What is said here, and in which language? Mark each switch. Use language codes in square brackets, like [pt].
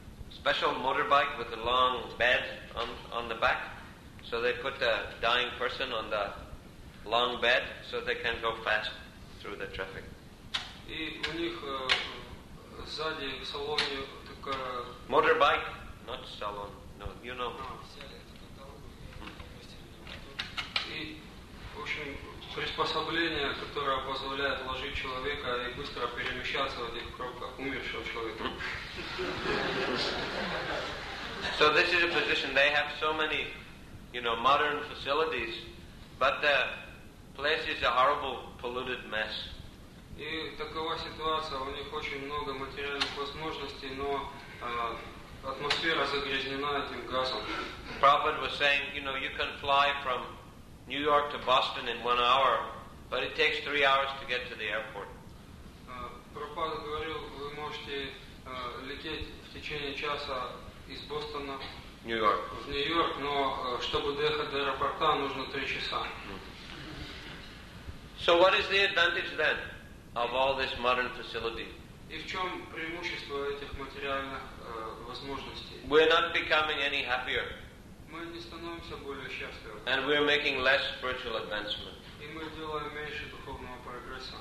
[en] special motorbike with a long bed on the back, so they put the dying person on the long bed so they can go fast through the traffic. [ru] И у них сзади в салоне только [en] motorbike, not salon. No, you know. [ru] И в общем приспособление, которое позволяет ложить человека и быстро перемещаться в этих пробках умершего человека. [en] So this is a position. They have so many, you know, modern facilities, but the place is a horrible, polluted mess. [ru] И такова ситуация. У них очень много материальных возможностей, но атмосфера загрязнена этим газом. [en] Prabhupada was saying, you know, you can fly from New York to Boston in 1 hour, but it takes 3 hours to get to the airport. [ru] Prabhupada говорил, вы можете лететь в течение часа из Бостона в Нью-Йорк, но чтобы доехать до аэропорта нужно 3 часа. [en] So what is the advantage then of all this modern facility? [ru] И в чем преимущество этих материальных возможностей? [en] We're not becoming any happier. [ru] Мы не становимся более счастливыми. [en] And we're making less spiritual advancement. [ru] И мы делаем меньше духовного прогресса.